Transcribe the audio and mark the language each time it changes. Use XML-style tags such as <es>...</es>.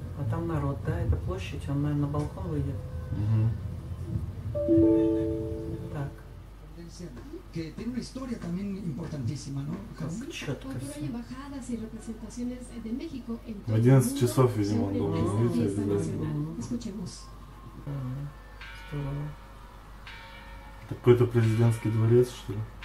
<ru>Там народ, да, это площадь, он, наверное, на балкон выйдет. Угу. Так.</ru> <es>Que tiene una historia también importantísima, ¿no?</es> <ru>Как в 11 часов, видимо, он должен выйти обязательно.</ru> <es>Escuchemos.</es> <ru>Это какой-то президентский дворец, что ли?</ru>